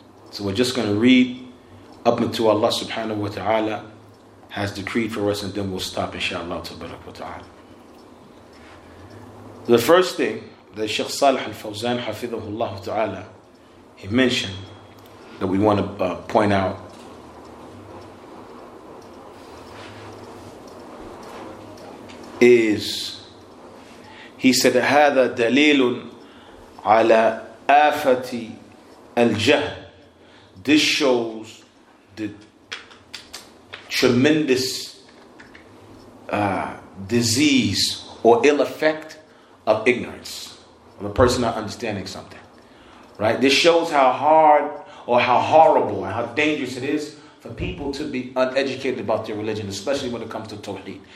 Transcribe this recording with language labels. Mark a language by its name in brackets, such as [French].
[English] So we're just going to read up until Allah subhanahu wa ta'ala has decreed for us, and then we'll stop, inshallah, tabarak wa ta'ala. The first thing that Sheikh Salih al-Fawzan hafidhahullah ta'ala, he mentioned that we want to point out. Is he said [Arabic] هذا دليل على آفة الجهل. [English] This shows the tremendous disease or ill effect of ignorance, of a person not understanding something. Right? This shows how hard or how horrible and how dangerous it is for people to be uneducated about their religion, especially when it comes to Tawheed.